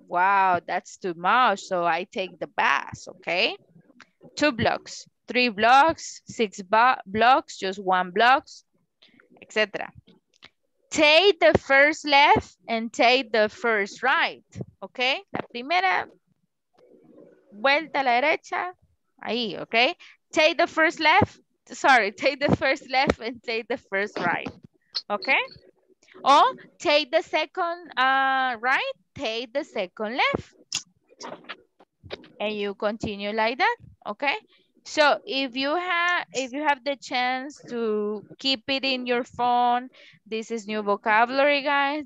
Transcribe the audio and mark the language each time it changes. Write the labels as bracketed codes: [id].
[en] Wow, that's too much. So I take the bus, okay? Two blocks, three blocks, six blocks, just one blocks, etc. Take the first left and take the first right, okay? [es] La primera, vuelta a la derecha, ahí, okay? [en] Take the first left, sorry, take the first left and take the first right, okay? Or take the second right, take the second left. And you continue like that, okay? So if you have the chance to keep it in your phone, this is new vocabulary, guys.